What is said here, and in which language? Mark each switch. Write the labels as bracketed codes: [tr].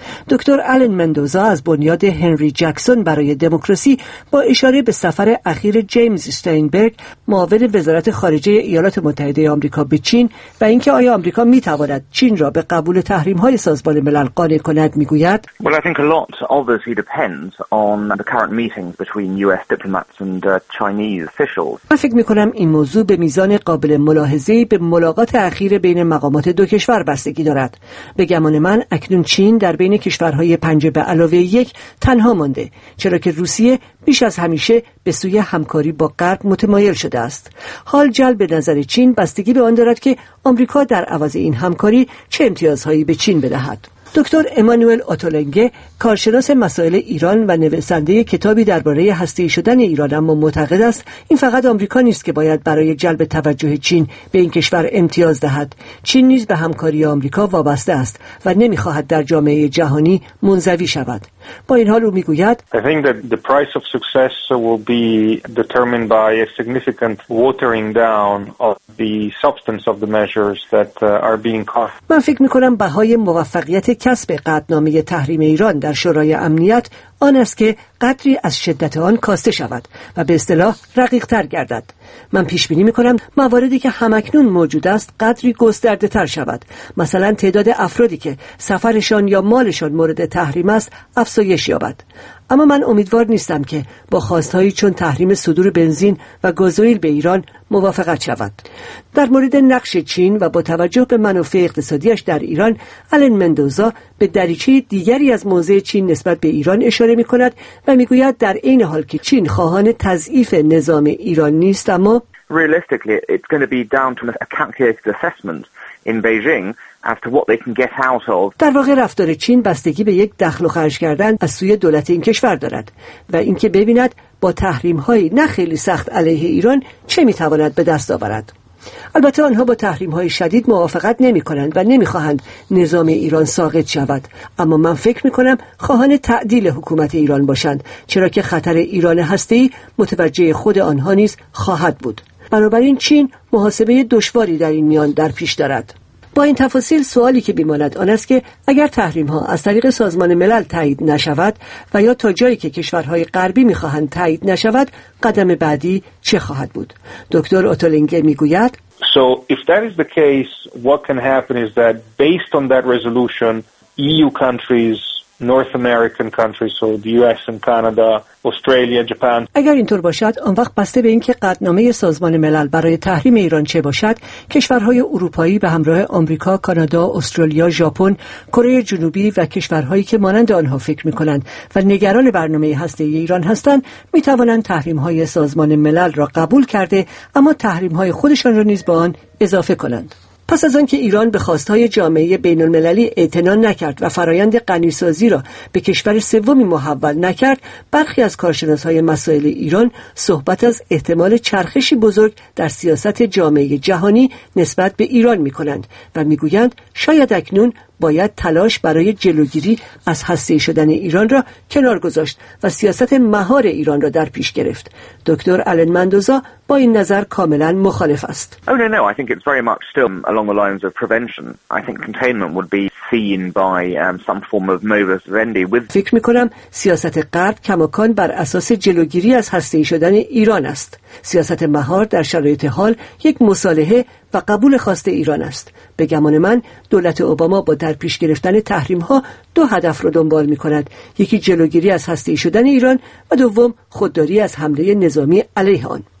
[fa] دکتر آلن مندوزا از بنیاد هنری جکسون برای دموکراسی با اشاره به سفر اخیر جیمز استاینبرگ معاون وزارت خارجه ایالات متحده آمریکا به چین و اینکه آیا آمریکا میتواند چین را به قبول تحریم‌های سازمان ملل قانع کند میگوید: [en] Well, I think a lot obviously depends on the current meetings between US diplomats and Chinese officials. [fa] من فکر می‌کنم این موضوع به میزان قابل ملاحظه‌ای به ملاقات اخیر بین مقامات دو کشور بستگی دارد. به گمان من اکنون چین در بین کشورهای پنجه به علاوه یک تنها مانده، چرا که روسیه بیش از همیشه به سوی همکاری با غرب متمایل شده است. حال جلب نظر چین بستگی به آن دارد که آمریکا در عوض این همکاری چه امتیازهایی به چین بدهد. دکتر امانوئل آتولنگه، کارشناس مسائل ایران و نویسنده کتابی درباره هسته‌ای شدن ایران، اما معتقد است این فقط آمریکا نیست که باید برای جلب توجه چین به این کشور امتیاز دهد. چین نیز به همکاری آمریکا وابسته است و نمی‌خواهد در جامعه جهانی منزوی شود. با این حال او میگوید: [en] I think that the price of success will be determined by a significant watering down of the substance of the measures that are being cast. [fa] من فکر میکنم بهای موفقیت کسب قطعنامه تحریم ایران در شورای امنیت آن است که قدری از شدت آن کاسته شود و به اصطلاح رقیق تر گردد. من پیش بینی میکنم مواردی که همکنون موجود است قدری گسترده تر شود. مثلا تعداد افرادی که سفرشان یا مالشان مورد تحریم است افزایش یابد. اما من امیدوار نیستم که با خواستهایی چون تحریم صدور بنزین و گازوئیل به ایران موافقت شود. در مورد نقش چین و با توجه به منافع اقتصادیش در ایران، آلن مندوزا به دریچه دیگری از موضع چین نسبت به ایران اشاره می کند و می گوید در این حال که چین خواهان تضعیف نظام ایران نیست، اما [en] Realistically, it's going to be down to a calculated assessment in Beijing as to what they can get out of. [fa] در واقع رفتار چین بستگی به یک دخل و خرج کردن از سوی دولت این کشور دارد و اینکه ببیند با تحریم‌های نه خیلی سخت علیه ایران چه می‌تواند به دست آورد. البته آنها با تحریم‌های شدید موافقت نمی‌کنند و نمی‌خواهند نظام ایران ساقط شود، اما من فکر می‌کنم خواهان تعدیل حکومت ایران باشند، چرا که خطر ایران هسته‌ای متوجه خود آنها نیز خواهد بود. بنابراین چین محاسبه دشواری در این میان در پیش دارد. با این تفاصیل سوالی که بیماند آن است که اگر تحریم‌ها از طریق سازمان ملل تایید نشود و یا تا جایی که کشورهای غربی می‌خواهند تایید نشود، قدم بعدی چه خواهد بود؟ دکتر اوتولینگه می‌گوید: [en] So if that is the case, what can happen is that based on that resolution, EU countries, North American countries, so the US and Canada, Australia, Japan. [fa] اگر اینطور باشد، آن وقت بسته به اینکه قطعنامه سازمان ملل برای تحریم ایران چه باشد، کشورهای اروپایی به همراه آمریکا، کانادا، استرالیا، ژاپن، کره جنوبی و کشورهایی که مانند آنها فکر می‌کنند و نگران برنامه هسته‌ای ایران هستند، می‌توانند تحریم‌های سازمان ملل را قبول کرده، اما تحریم‌های خودشان را نیز با آن اضافه کنند. پس از آنکه ایران به خواستهای جامعه بین المللی اعتنا نکرد و فرایند غنی‌سازی را به کشور سومی محول نکرد، برخی از کارشناسان مسائل ایران صحبت از احتمال چرخشی بزرگ در سیاست جامعه جهانی نسبت به ایران می‌کنند و می‌گویند شاید اکنون باید تلاش برای جلوگیری از هسته‌ای شدن ایران را کنار گذاشت و سیاست مهار ایران را در پیش گرفت. دکتر آلن مندوزا با این نظر کاملا مخالف است. [en] No, I think it's very much still along the lines of prevention. I think containment would be seen by some form of modus vivendi with [fa] فکر می‌کنم سیاست غرب کماکان بر اساس جلوگیری از هسته‌ای شدن ایران است. سیاست مهار در شرایط حال یک مصالحه و قبول خواست ایران است. به گمان من دولت اوباما با در پیش گرفتن تحریم‌ها دو هدف را دنبال می‌کند: یکی جلوگیری از هسته‌ای شدن ایران و دوم خودداری از حمله نظامی علیه آن.